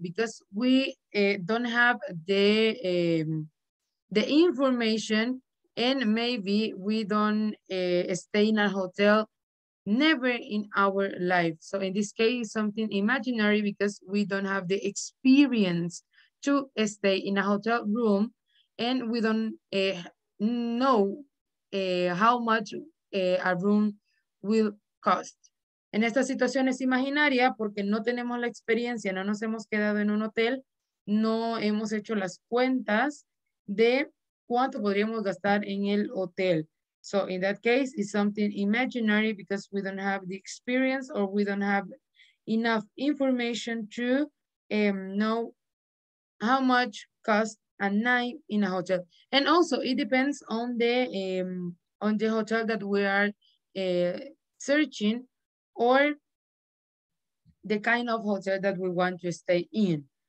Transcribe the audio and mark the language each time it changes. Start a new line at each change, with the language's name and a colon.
English: Because we don't have the information and maybe we don't stay in a hotel never in our life. So in this case, something imaginary because we don't have the experience to stay in a hotel room and we don't know how much a room will cost.
Spanish: En esta situación es imaginaria porque no tenemos la experiencia, no nos hemos quedado en un hotel, no hemos hecho las cuentas de cuánto podríamos gastar en el hotel.
English: So in that case, it's something imaginary because we don't have the experience or we don't have enough information to know how much cost a night in a hotel. And also it depends on the hotel that we are searching or the kind of hotel that we want to stay in.